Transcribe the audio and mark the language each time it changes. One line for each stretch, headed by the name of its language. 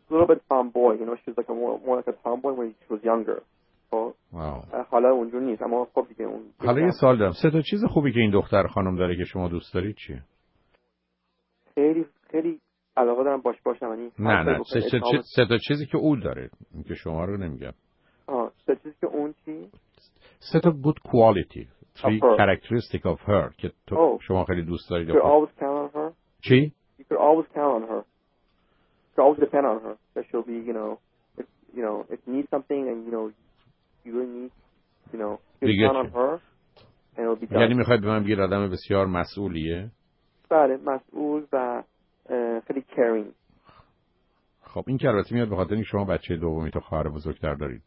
English: A little bit tomboy, you know, she's like a more like a tomboy when she was younger.
Persian: حالا اونجوری نیست، اما خب دیگه اون حالا یه سوال دارم. سه تا چیز خوبی که این دختر خانم داره که شما دوست دارید چیه؟ خیلی خیلی علاقه دارم باش باشم، یعنی نه نه سه تا چیزی که اون داره که شما رو نمیگم. سه تا چیزی که اون چی؟ سه تا
English: good quality. Three characteristic of her
Persian: که تو شما خیلی دوست دارید.
English: You could always count on her.
Persian: چی؟
English: You could always count on her. You could always depend on her. That she'll be, if you need something and you really need, you count on her and it'll be done.
Persian: یعنی میخواید به من بگید آدم بسیار مسئولیه؟ بله، مسئول و خیلی caring. خب این که البته میاد به خاطر اینکه شما بچه دومی تو خواهر بزرگتر دارید.